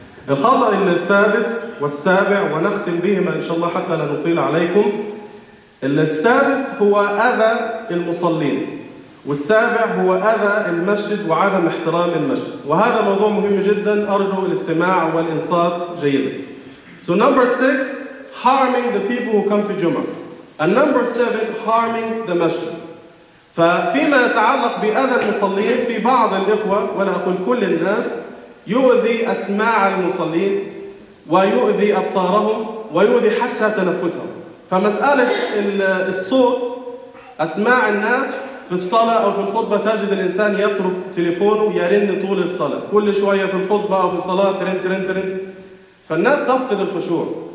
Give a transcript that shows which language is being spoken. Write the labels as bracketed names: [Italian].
[Arabic] الخطأ إن السادس والسابع ونختم بهما إن شاء الله حتى لا نطيل عليكم. إن السادس هو أذى المصلين والسابع هو أذى المسجد وعدم احترام المسجد، وهذا موضوع مهم جدا أرجو الاستماع والإنصات جيدا. [English] So number six, harming the people who come to Jummah. And number seven, harming the masjid. [Arabic] ففيما يتعلق بأذى المصلين في بعض الإخوة ولا أقول كل الناس يؤذي أسماع المصلين ويؤذي أبصارهم ويؤذي حتى تنفسهم. فمسألة الصوت أسماع الناس في الصلاة أو في الخطبة تجد الإنسان يترك تليفونه يرن طول الصلاة كل شوية في الخطبة أو في الصلاة ترن ترن ترن، فالناس تفقد الخشوع.